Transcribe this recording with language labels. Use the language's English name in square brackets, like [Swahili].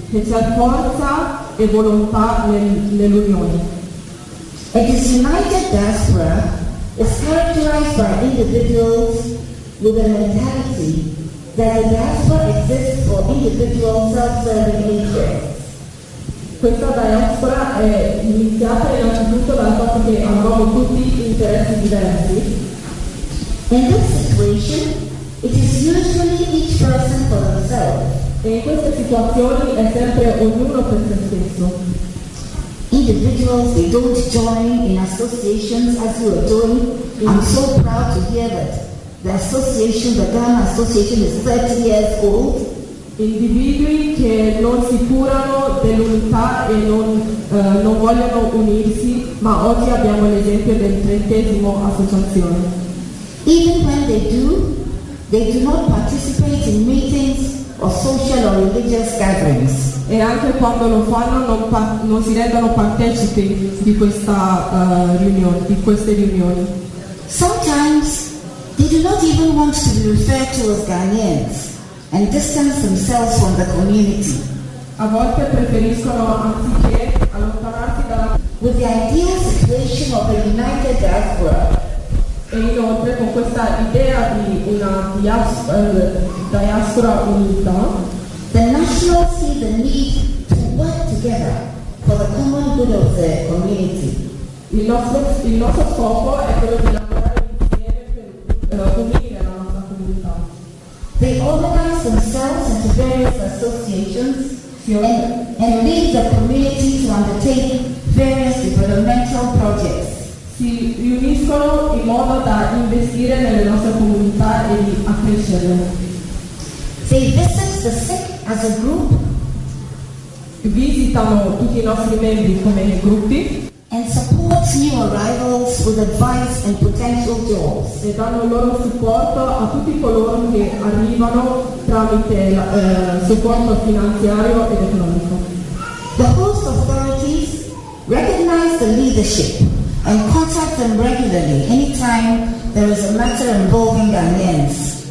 [Italian] Che c'è forza e volontà nell'unione. [English] A disunited diaspora is characterized by individuals with a mentality that a diaspora exists for individual self-serving interests. [Italian] Questa diaspora è iniziata innanzitutto dal fatto che abbiamo tutti interessi diversi. [English] In this situation, it is usually each person for themselves. [Italian] E in queste situazioni è sempre ognuno per se stesso. [English] Individuals, they don't join in associations as you are doing. I'm so proud to hear that the association, the Ghana Association, is 30 years old. [Italian] Individui che non si curano dell'unità e non vogliono unirsi, ma oggi abbiamo l'esempio del 30° associazione. [English] Even when they do not participate in meetings or social or religious gatherings. [Italian] E anche quando lo fanno non si rendono partecipi di questa riunioni. [English] Sometimes they do not even want to be referred to as Ghanaians and distance themselves from the community. [Italian] A volte preferiscono anziché allontanarsi dalla. [English] With the ideal situation of a united diaspora. [Italian] E inoltre con questa idea di una diaspora unita. [English] The nationals see the need to work together for the common good of the community. [Italian] Il nostro scopo è quello di lavorare per unire la nostra comunità. [English] They organize themselves into various associations and lead the community to undertake various developmental projects. [Italian] Si riuniscono in modo da investire nelle nostre comunità e di accrescerle. [English] They visit the sick as a group. [Italian] Visitano tutti i nostri membri come gruppi. [English] And support new arrivals with advice and potential jobs. [Italian] E danno il loro supporto a tutti coloro che arrivano tramite supporto finanziario ed economico. [English] The host authorities recognize the leadership and contact them regularly anytime there is a matter involving Ghanaians.